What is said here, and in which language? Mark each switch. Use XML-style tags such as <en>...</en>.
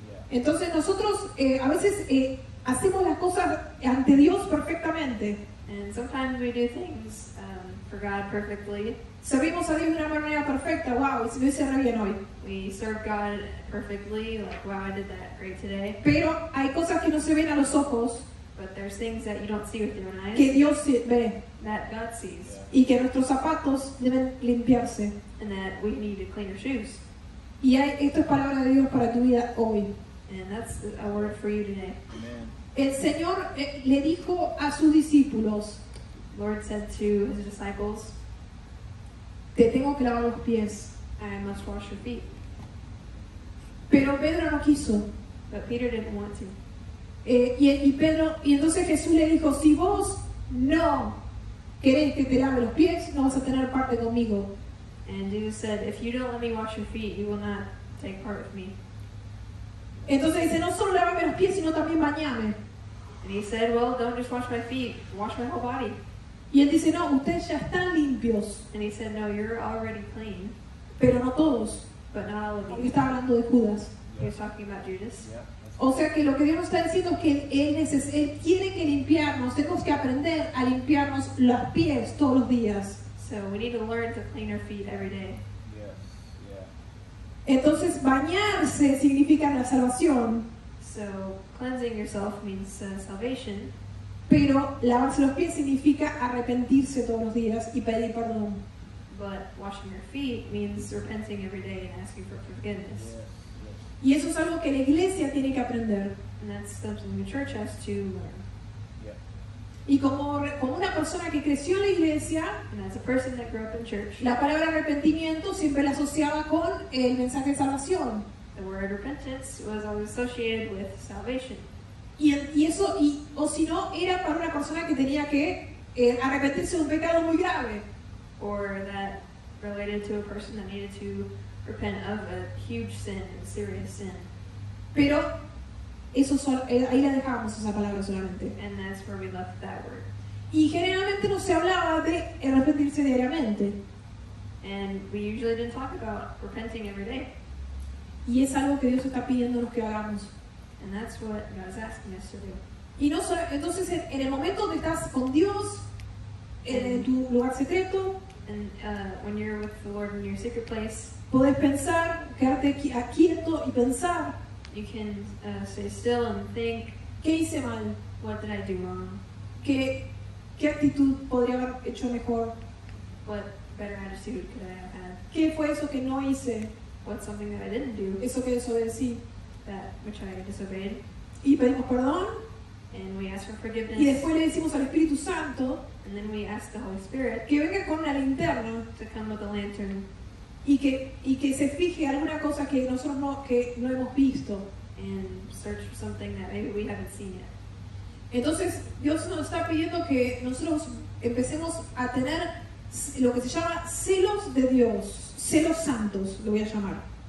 <es>Entonces nosotros a veces hacemos las cosas ante Dios perfectamente.</es> <en>And sometimes we do things for God perfectly.</en> <es>Servimos a Dios de una manera perfecta. Wow, si me cerré bien hoy.</es> <en>We serve God perfectly. Like, wow, I did that great today.</en> <es>Pero hay cosas que no se ven a los ojos.</es> <en>But there's things that you don't see with your eyes.</en> <es>Que Dios ve.</es> <en>That God sees.</en> <es>Y que nuestros zapatos deben limpiarse.</es> <en>And that we need to clean our shoes.</en> <es>Y esto es palabra de Dios para tu vida hoy.</es> <en>And that's a word for you today.</en> <es>El Señor le dijo a sus discípulos.</es> <en>Lord said to his disciples.</en> <es>Te tengo que lavar los pies.</es> <en>I must wash your feet.</en> <es>Pero Pedro no quiso.</es> <en>But Peter didn't want to.</en> <es>Y entonces Jesús le dijo, si vos no querés que te lave los pies, no vas a tener parte conmigo.</es> <en>And Jesus said, if you don't let me wash your feet, you will not take part with me.</en> <es>Entonces dice, no solo lávame los pies, sino también bañame.</es> <en>And he said, well, don't just wash my feet, wash my whole body.</en> <es>Y él dice, no, ustedes ya están limpios.</es> <en>And he said, no, you're already clean.</en> <es>Pero no todos.</es> <en>But not all of you.</en> <es>Porque está hablando de Judas.</es> <en>Yeah. He was talking about Judas. Yeah.</en> <es>O sea que lo que Dios nos está diciendo es que él tiene que limpiarnos, tenemos que aprender a limpiarnos los pies todos los días.</es> <en>So we need to learn to clean our feet every day. Yes. Yeah.</en> <es>Entonces bañarse significa la salvación.</es> <en>So cleansing yourself means salvation.</en> <es>Pero lavarse los pies significa arrepentirse todos los días y pedir perdón.</es> <en>But washing your feet means repenting every day and asking for forgiveness. Yeah.</en> <es>Y eso es algo que la iglesia tiene que aprender.</es> <en>And that's something the church has to learn. Yeah.</en> <es>Y como una persona que creció en la iglesia,</es> <en>and as a person that grew up in church,</en> <es>la palabra arrepentimiento siempre la asociaba con el mensaje de salvación.</es> <en>The word repentance was always associated with salvation.</en> <es>Y eso, o si no, era para una persona que tenía que arrepentirse de un pecado muy grave.</es> <en>Or that related to a person that needed to repent of a huge sin, a serious sin.</en> <es>Pero eso ahí la dejamos esa palabra solamente.</es> <en>And that's where we left that word.</en> <es>Y generalmente no se hablaba de arrepentirse diariamente.</es> <en>And we usually didn't talk about repenting every day.</en> <es>Y es algo que Dios está pidiéndonos que hagamos.</es> <en>And that's what God's asking us to do.</en> <es>Y no solo, entonces en el momento donde estás con Dios, en tu lugar secreto,</es> <en>and when you're with the Lord in your secret place,</en> <es>puedes pensar, quedarte quieto y pensar.</es> <en>You can stay still and think.</en> <es>¿Qué hice mal?</es> <en>What did I do wrong?</en> <es>¿Qué actitud podría haber hecho mejor?</es> <en>What better attitude could I have had?</en> <es>¿Qué fue eso que no hice?</es> <en>What's something that I didn't do?</en> <es>Eso que desobedecí.</es> <en>That which I disobeyed.</en> <es>Y pedimos perdón.</es> <en>And we ask for forgiveness.</en> <es>Y después le decimos al Espíritu Santo.</es> <en>And then we ask the Holy Spirit.</en> <es>Que venga con una linterna.</es> <en>To come with a lantern.</en> <es>Y que se fije alguna cosa que nosotros no hemos visto.</es> <en>And search for something that maybe we haven't seen yet.</en> <es>Entonces, Dios nos está pidiendo que nosotros empecemos a tener lo que se llama celos de Dios, celos santos, lo voy a llamar.</es>